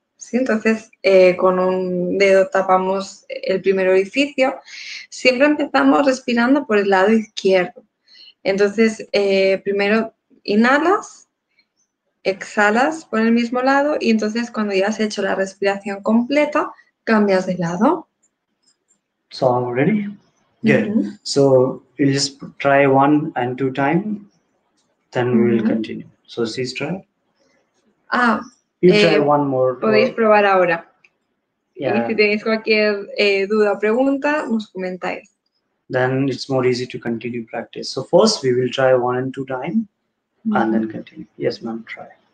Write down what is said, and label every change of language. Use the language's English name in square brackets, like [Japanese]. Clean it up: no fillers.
[Spanish] Sí, entonces, con un dedo tapamos el primer orificio. Siempre empezamos respirando por el lado izquierdo. Entonces, primero inhalas, exhalas por el mismo lado, y entonces cuando ya has hecho la respiración completa, cambias de lado. [English] So, I'm ready? Good. Mm-hmm. So, we'll just try 1 and 2 times, then we'll mm-hmm. continue. So, please try. [Spanish] Ah, podéis probar ahora. [English] Yeah. [Spanish] Y si tenéis cualquier duda o pregunta, nos comentáis. [English] Then it's more easy to continue practice. So first we will try 1 and 2 times. And then continue. Yes, ma'am, try.